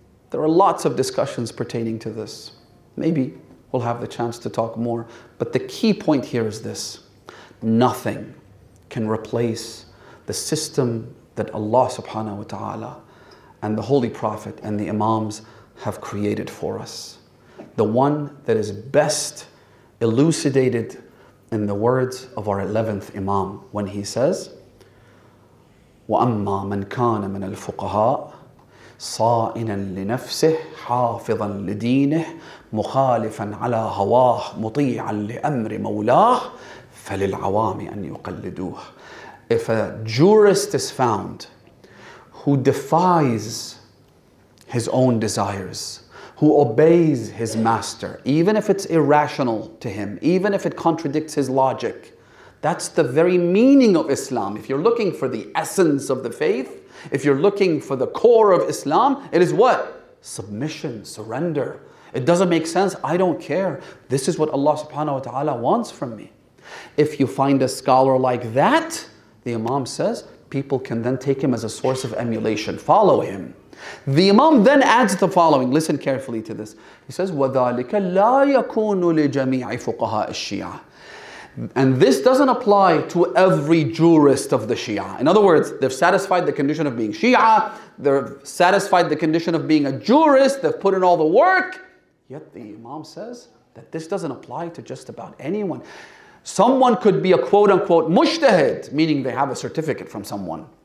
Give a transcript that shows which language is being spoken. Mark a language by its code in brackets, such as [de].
[en] There are lots of discussions pertaining to this. Maybe we'll have the chance to talk more. But the key point here is this. Nothing can replace the system that Allah subhanahu wa ta'ala and the Holy Prophet and the Imams have created for us. The one that is best elucidated in the words of our 11th Imam when he says, [ar] وَأَمَّا مَنْ كَانَ مِنَ الْفُقَهَاءِ صَائِنًا لِنَفْسِهِ حَافِظًا لِدِينِهِ مُخَالِفًا عَلَى هَوَاهِ مُطِيعًا لِأَمْرِ مَوْلَاهِ فَلِلْعَوَامِ أَنْ يُقَلِّدُوهِ. [en] If a jurist is found who defies his own desires, who obeys his master, even if it's irrational to him, even if it contradicts his logic, that's the very meaning of Islam. If you're looking for the essence of the faith, if you're looking for the core of Islam, it is what? Submission, surrender. It doesn't make sense. I don't care. This is what Allah subhanahu wa ta'ala wants from me. If you find a scholar like that, the Imam says, people can then take him as a source of emulation. Follow him. The Imam then adds the following. Listen carefully to this. He says, [ar] وَذَلِكَ لَا يَكُونُ لِجَمِيعِ فُقَهَاءِ الشِّيَعَ. [en] And this doesn't apply to every jurist of the Shia. In other words, they've satisfied the condition of being Shia. They've satisfied the condition of being a jurist. They've put in all the work. Yet the Imam says that this doesn't apply to just about anyone. Someone could be a quote-unquote mujtahid, meaning they have a certificate from someone.